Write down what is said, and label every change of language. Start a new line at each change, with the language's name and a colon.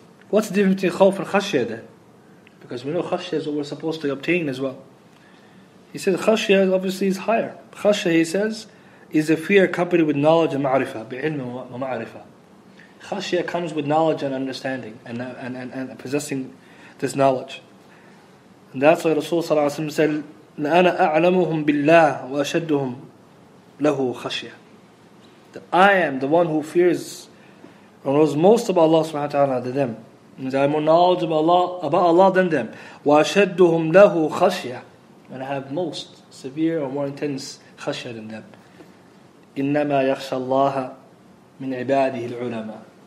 English: What's the difference between khawf and khashya then? Because we know khashya is what we're supposed to obtain as well. He says khashya obviously is higher. Khashya, he says, is a fear accompanied with knowledge and ma'rifah.
Arabic: بِعِلْمِ وَمَعْرِفَةً.
English: Khashya comes with knowledge and understanding and possessing this knowledge. And that's why Rasulullah صلى الله عليه وسلم said,
Arabic: لَأَنَا أَعْلَمُهُمْ بِاللَّهِ وَأَشَدُّهُمْ لَهُ خَشْيَةً.
English: That I am the one who fears and knows most about Allah subhanahu wa ta'ala than them. I have more knowledge about Allah than them.
Arabic: وَأَشَدُّهُمْ لَهُ خَشْيَةً.
English: And I have most severe or more intense khashya than them.
Arabic: إِنَّمَا يَخْشَى اللَّهَ مِنْ عِبَادِهِ الْعُلَمَاءِ.